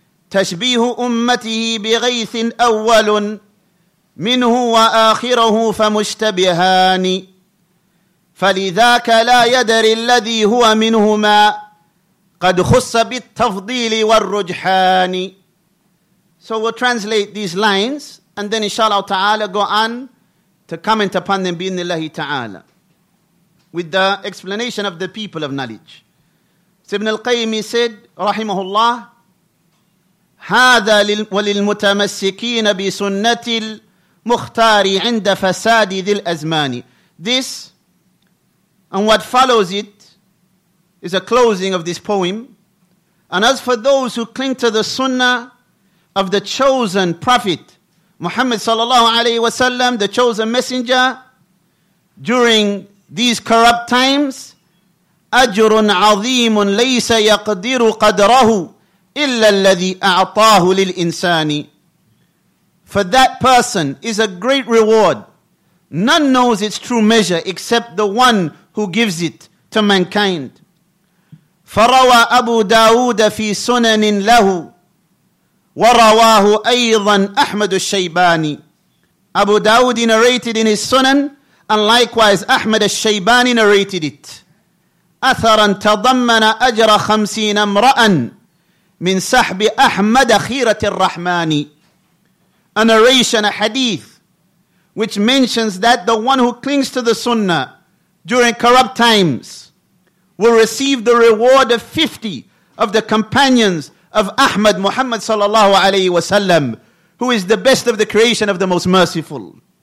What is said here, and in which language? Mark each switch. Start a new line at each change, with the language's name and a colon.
Arabic: تشبيه أمته بغيث أول منه وآخره فمشتبهان. فلذاك لا يدري الذي هو منهما قد خص بالتفضيل والرجحان.
English: So we'll translate these lines and then inshallah ta'ala go on to comment upon them bi'inillahi ta'ala with the explanation of the people of knowledge. So Ibn al-Qayyim said, rahimahullah,
Arabic: هَذَا وَلِلْمُتَمَسِّكِينَ بِسُنَّةِ الْمُخْتَارِ عِنْدَ فَسَادِ ذِي الْأَزْمَانِ.
English: This and what follows it is a closing of this poem. And as for those who cling to the sunnah of the chosen prophet, Muhammad sallallahu alayhi wa sallam, the chosen messenger, during these corrupt times,
Arabic: أَجْرٌ عَظِيمٌ لَيْسَ يَقْدِرُ قَدْرَهُ إِلَّا الَّذِي أَعْطَاهُ لِلْإِنسَانِ.
English: For that person is a great reward. None knows its true measure except the one who gives it to mankind.
Arabic: فَرَوَى أَبُو دَاوُدَ فِي سُنَنٍ لَهُ وَرَوَاهُ أَيْضًا أَحْمَدُ الشَّيْبَانِ.
English: Abu Dawood narrated in his Sunan, and likewise Ahmad al-Shaybani narrated it.
Arabic: أَثَرًا تَضَمَّنَ أَجْرَ خَمْسِينَ امْرَأً مِنْ سَحْبِ أَحْمَدَ خِيرَةِ الرَّحْمَانِ.
English: A narration, a hadith, which mentions that the one who clings to the Sunnah during corrupt times will receive the reward of 50 of the companions of Ahmad Muhammad sallallahu alayhi wa sallam, who is the best of the creation of the most merciful.